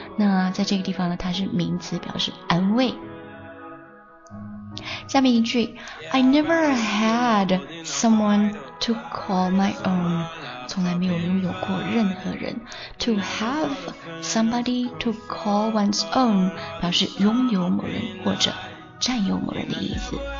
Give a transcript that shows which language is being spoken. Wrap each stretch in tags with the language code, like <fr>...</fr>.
<zh>那在这个地方呢，它是名词，表示安慰。下面一句，</zh> <en>I never had someone to call my own，</en> <zh>从来没有拥有过任何人。</zh> <en>To have somebody to call one's own</en> <zh>表示拥有某人或者占有某人的意思。</zh>